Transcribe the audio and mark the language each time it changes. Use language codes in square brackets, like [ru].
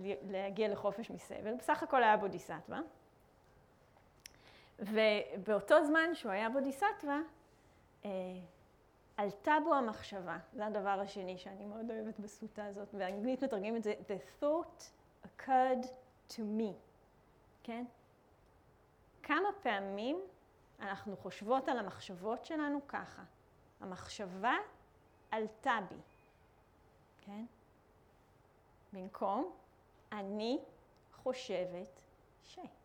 [he] להגיע לחופש מסבל. בסך הכל היה בודיסטווה. ובאותו זמן שהוא היה בודיסטווה, עלתה בו המחשבה. זה הדבר השני שאני מאוד אוהבת בסוטה הזאת. באנגלית מתרגמים את זה, [en] the thought occurred to me. [he] כן? כמה פעמים אנחנו חושבות על המחשבות שלנו ככה. המחשבה עלתה בי. כן? במקום, אני חושבת ש...